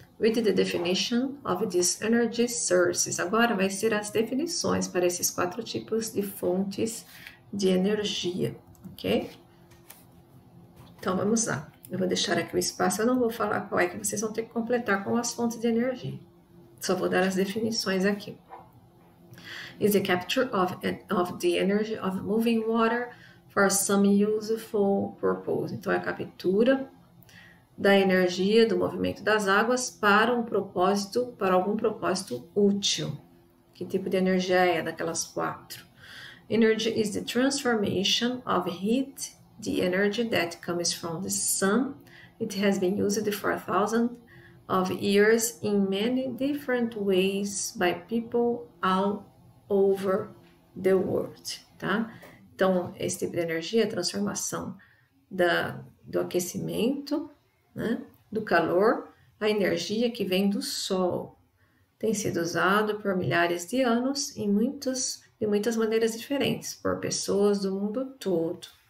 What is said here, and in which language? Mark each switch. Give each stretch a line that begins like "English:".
English: Read the definition of these energy sources.
Portuguese: Agora vai ser as definições para esses quatro tipos de fontes de energia, ok? Então, vamos lá. Eu vou deixar aqui o espaço, eu não vou falar qual é que vocês vão ter que completar com as fontes de energia. Só vou dar as definições aqui.
English: Is the capture of the energy of moving water for some useful purpose.
Portuguese: Então, é a captura da energia do movimento das águas para um propósito, para algum propósito útil. Que tipo de energia é daquelas quatro?
English: Energy is the transformation of heat, the energy that comes from the sun. It has been used for thousands of years in many different ways by people all over the world, tá?
Portuguese: Então, esse tipo de energia, a transformação do aquecimento, né, do calor, a energia que vem do sol, tem sido usado por milhares de anos em muitas maneiras diferentes, por pessoas do mundo todo.